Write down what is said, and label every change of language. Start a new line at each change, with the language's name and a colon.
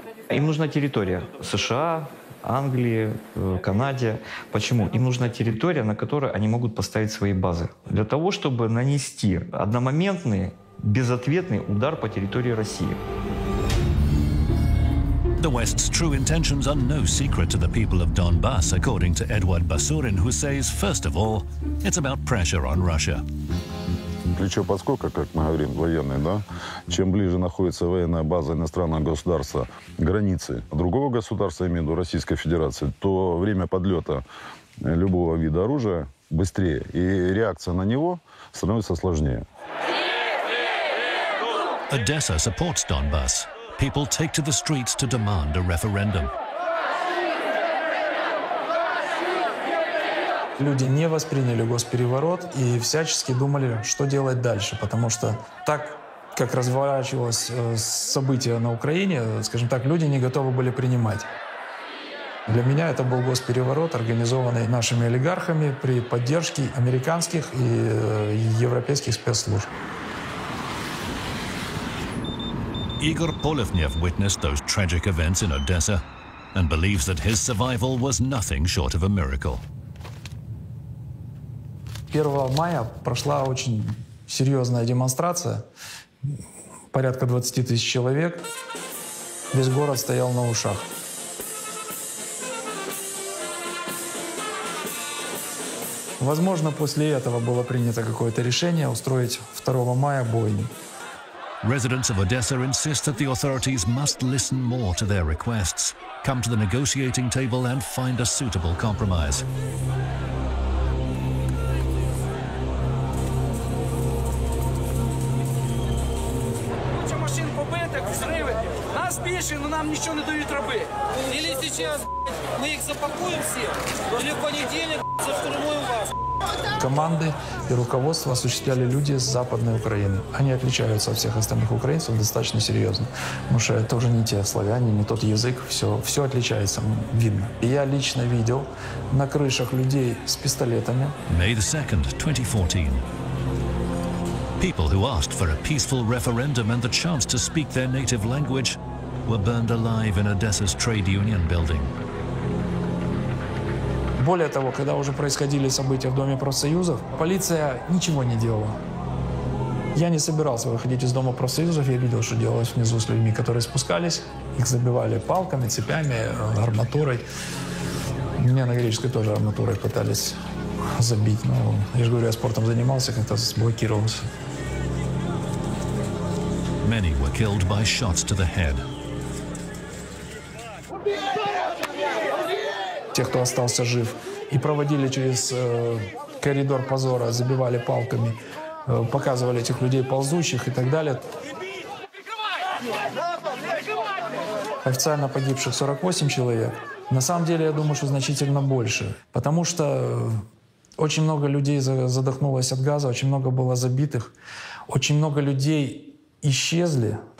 Russian: Им нужна территория. США, Англии, Канаде. Почему? Им нужна территория, на которой они могут поставить свои базы. Для того, чтобы нанести одномоментные, безответный удар по территории России.
English: The West's true intentions are no secret to the people of Donbass, according to Edward Basurin, who says, first of all, it's about pressure on Russia.
Russian: Плечо под сколько, как мы говорим, военные, да? Чем ближе находится военная база иностранного государства, границы другого государства, имею в виду Российской Федерации, то время подлета любого вида оружия быстрее, и реакция на него становится сложнее.
English: Odessa supports Donbass. People take to the streets to demand a referendum.
Russian: Люди не восприняли госпереворот и всячески думали, что делать дальше, потому что так, как разворачивалось событие на Украине, скажем так, люди не готовы были принимать. Для меня это был госпереворот, организованный нашими олигархами при поддержке американских и европейских спецслужб.
English: Igor Polovnev witnessed those tragic events in Odessa and believes that his survival was nothing short of a miracle.
Russian: 1 мая прошла очень серьезная демонстрация. Порядка 20 тысяч человек. Весь город стоял на ушах. Возможно, после этого было принято какое-то решение устроить 2 мая бойню.
English: Residents of Odessa insist that the authorities must listen more to their requests, come to the negotiating table and find a suitable compromise.
Russian: Но нам ничего не дают рабы. Или сейчас мы их запакуем всех, или в понедельник заштурмуем вас. Команды и руководство осуществляли люди с Западной Украины. Они отличаются от всех остальных украинцев достаточно серьезно. Потому что это уже не те славяне, не тот язык. Все отличается, видно. И я лично видел на крышах людей с пистолетами.
English: May the 2nd, 2014. People who asked for a peaceful referendum and the chance to speak their native language were burned alive in Odessa's trade union building.
Russian: Более того, когда уже происходили события в Доме профсоюзов, полиция ничего не делала. Я не собирался выходить из Дома профсоюзов, я видел, что делалось внизу с людьми, которые спускались. Их забивали палками, цепями, арматурой. Меня на греческой тоже арматурой пытались забить. Но, я же говорю, я спортом занимался, как-то сблокировался.
English: Many were killed by shots to the head.
Russian: Тех, кто остался жив, и проводили через коридор позора, забивали палками, показывали этих людей ползущих и так далее. Официально погибших 48 человек. На самом деле, я думаю, что значительно больше, потому что очень много людей задохнулось от газа, очень много было забитых, очень много людей исчезли.